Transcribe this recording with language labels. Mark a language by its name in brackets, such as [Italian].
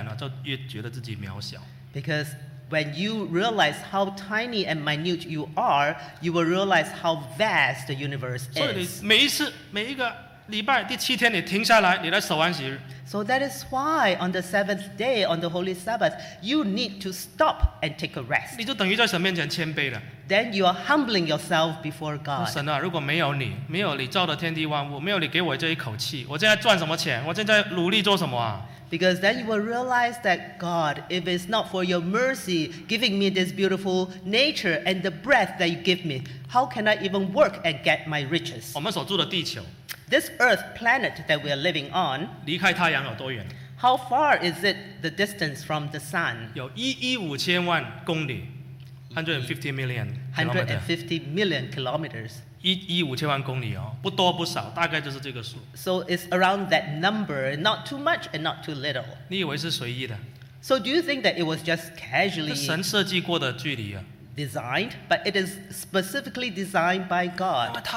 [Chinese] 其实你人越了解大自然，就越觉得自己渺小。 [English] Because when you realize how tiny and minute you are, you will realize how vast the universe is. [Chinese] 所以你每一次，每一个礼拜第七天，你停下来，你来守安息。 [English] So that is why on the seventh day, on the Holy Sabbath, you need to stop and take a rest. [Chinese] 你就等于在神面前谦卑了。Then [English] you are humbling yourself before God. [Chinese] 神啊，如果没有你，没有你造的天地万物，没有你给我这一口气，我现在赚什么钱？我现在努力做什么啊？ [English] Because then you will realize that God, if it's not for your mercy, giving me this beautiful nature and the breath that you give me, how can I even work and get my riches? [Chinese] 我们所住的地球。 [English] This earth planet that we are living on, [Chinese] 离开太阳有多远? [English] How far is it the distance from the sun? [Chinese] 有115,000公里, [English] 150 million kilometers. [Chinese] 115,000公里哦, 不多不少, 大概就是这个数。 [English] So it's around that number, not too much and not too little. [Chinese] 你以为是随意的? [English] So do you think that it was just casually [Chinese] 这神设计过的距离啊? [English] Designed, but it is specifically designed by God.